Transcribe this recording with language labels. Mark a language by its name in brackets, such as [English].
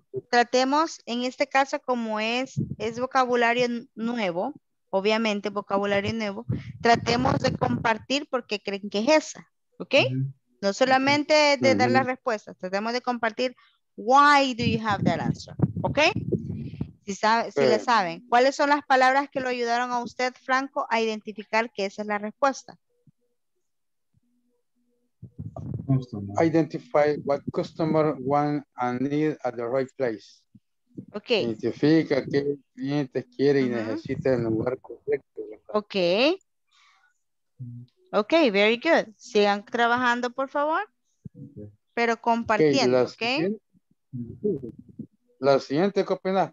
[Spanish] Tratemos en este caso, como es vocabulario nuevo, obviamente vocabulario nuevo, tratemos de compartir porque creen que es esa, ¿ok? No solamente de dar las respuestas, tratemos de compartir [English] why do you have that answer, [Spanish] ¿ok? Si le saben, ¿cuáles son las palabras que lo ayudaron a usted, Franco, a identificar que esa es la respuesta? [English] Customer. Identify what customer want and need at the right place. Okay. [Spanish] Identifica qué cliente quiere y necesita en el lugar correcto. [English] Okay. Okay, very good. [Spanish] Sigan trabajando, por favor. Okay. Pero compartiendo, ¿ok? La siguiente, ¿qué opinas?